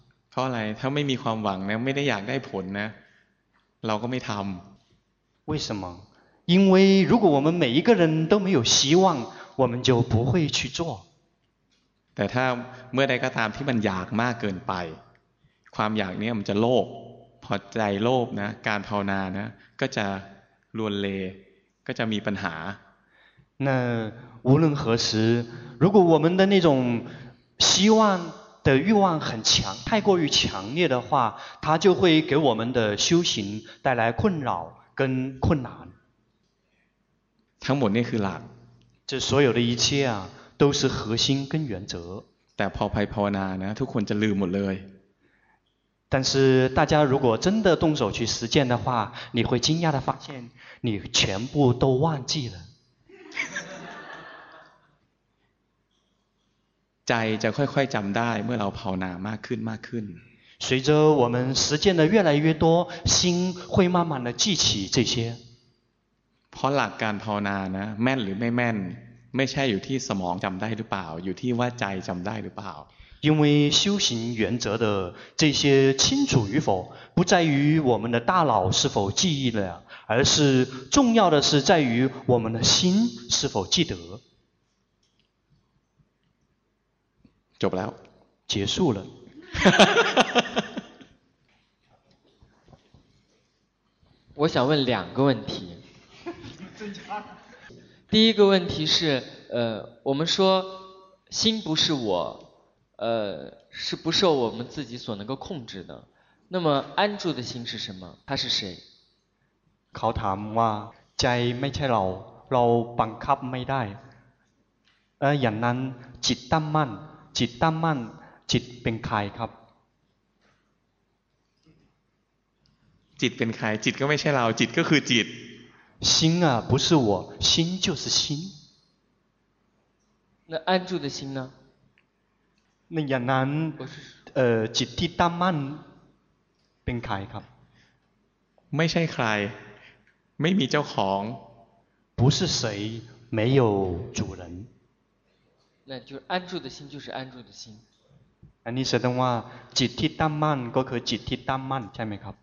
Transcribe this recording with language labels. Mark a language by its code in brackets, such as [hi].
[th] เพราะอะไรถ้าไม่มีความหวังนะไม่ได้อยากได้ผลนะเราก็ไม่ทำ [zh] 为什么因为如果我们每一个人都没有希望我们就不会去做 [th] แต่ถ้าเมื่อใดก็ตามที่มันอยากมากเกินไปความอยากเนี่ยมันจะโลภพอใจโลภนะการภาวนานะก็จะลวนเลก็จะมีปัญหา [zh] 那无论何时如果我们的那种希望的欲望很强太过于强烈的话它就会给我们的修行带来困扰跟困难 [th] ทั้งหมดนี่คือหลัก [zh] 这所有的一切啊都是核心跟原则 [th] แต่พอไปภาวนานะทุกคนจะลืมหมดเลย [zh] 但是大家如果真的动手去实践的话你会惊讶的发现你全部都忘记了 [th] ใจจะค่อยๆจำได้เมื่อเราภาวนามากขึ้นมากขึ้น [zh] 随着我们实践的越来越多心会慢慢的记起这些 [th] เพราะหลักการภาวนานะแม่นหรือไม่แม่นไม่ใช่อยู่ที่สมองจำได้หรือเปล่าอยู่ที่ว่าใจจำได้หรือเปล่า [zh] 因为修行原则的这些清楚与否不在于我们的大脑是否记忆了而是重要的是在于我们的心是否记得就不了结束了我想问两个问题第一个问题是我们说心不是我是不受我们自己所能够控制的那么安住的心是什么它是谁 [th] เขาถามว่าใจไม่ใช่เราเราบังคับไม่ได้อย่างนั้นจิตตั้งมั่นจิตตั้งมั่นจิตเป็นใครครับ จิตเป็นใครจิตก็ไม่ใช่เราจิตก็คือจิต [zh] 心啊不是我心就是心那安住的心呢那 [th] อย่างนั้น จิตที่ตั้งมั่นเป็นใครครับ ไม่ใช่ใครไม่มีเจ้าของ [zh] 不是谁没有主人那就是安住的心就是安住的心。 [th] อันนี้แสดงว่าจิตที่ตั้งมั่นก็คือจิตที่ตั้งมั่นใช่ไหมครับ